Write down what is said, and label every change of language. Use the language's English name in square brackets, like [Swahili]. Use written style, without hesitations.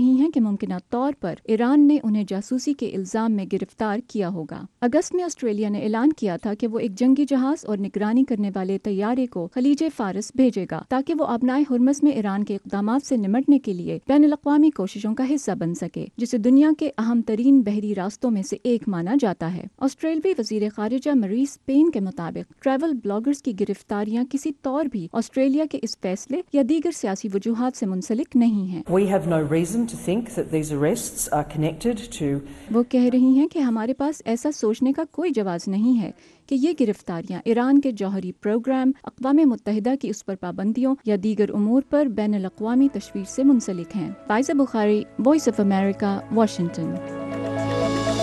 [Urdu] رہی ہیں کہ ممکنہ طور پر ایران نے انہیں جاسوسی کے الزام میں گرفتار کیا ہوگا۔ اگست میں آسٹریلیا نے اعلان کیا تھا کہ وہ ایک جنگی جہاز اور نگرانی کرنے والے طیارے کو خلیج فارس بھیجے گا تاکہ وہ آبنائے ہرمز میں ایران کے اقدامات سے نمٹنے کے لیے بین الاقوامی کوششوں کا حصہ بن سکے، جسے دنیا کے اہم ترین بحری راستوں میں سے ایک مانا جاتا ہے۔ آسٹریلوی وزیر خارجہ مریس پین کے مطابق ٹریول بلاگرز کی گرفتاریاں کسی طور بھی آسٹریلیا کے اس فیصلے یا دیگر سیاسی وجوہات سے منسلک نہیں ہیں۔ [English] We have no reason to think that these arrests are connected to... [Urdu] وہ کہہ رہی ہیں کہ ہمارے پاس ایسا سوچنے کا کوئی جواز نہیں ہے کہ یہ گرفتاریاں ایران کے جوہری پروگرام، اقوام متحدہ کی اس پر پابندیوں یا دیگر امور پر بین الاقوامی تشویش سے منسلک ہیں۔ فائزہ بخاری، وائس آف امریکہ، واشنگٹن۔